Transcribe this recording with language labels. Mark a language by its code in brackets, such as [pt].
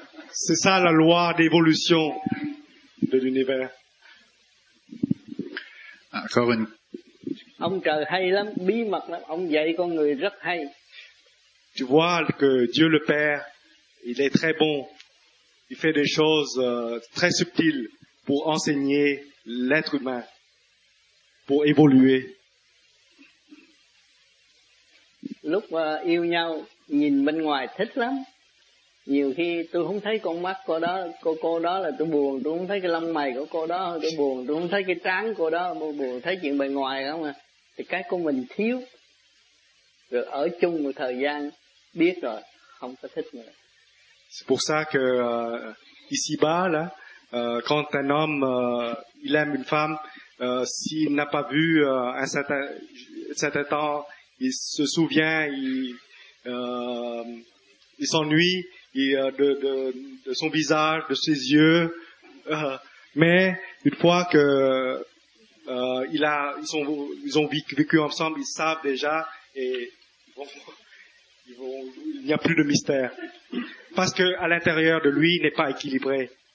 [fr] C'est ça la loi d'évolution de l'univers. Encore une. [vi] Ông trời hay lắm, bí mật lắm, ông dạy con người rất hay. [fr] Tu vois que Dieu le Père, il est très bon. Il fait des choses très subtiles pour enseigner l'être humain, pour évoluer. [vi] Lúc yêu nhau, nhìn bên ngoài thích lắm. Nhiều khi tôi không thấy con mắt cô đó, cô đó là tôi buồn, tôi không thấy cái lông mày của cô đó tôi buồn, tôi không thấy cái trán cô đó tôi buồn, thấy chuyện bề ngoài không à. Thì cái của mình thiếu. Rồi ở chung một thời gian biết rồi không có thích nữa. [fr] C'est pour ça que ici-bas là quand un homme il aime une femme, s'il n'a pas vu un certain temps, il se souvient, il s'ennuie. De son visage, de ses yeux, mais une fois que ils ont vécu ensemble, ils savent déjà et il n'y a plus de mystère parce que à l'intérieur de lui, il n'est pas équilibré.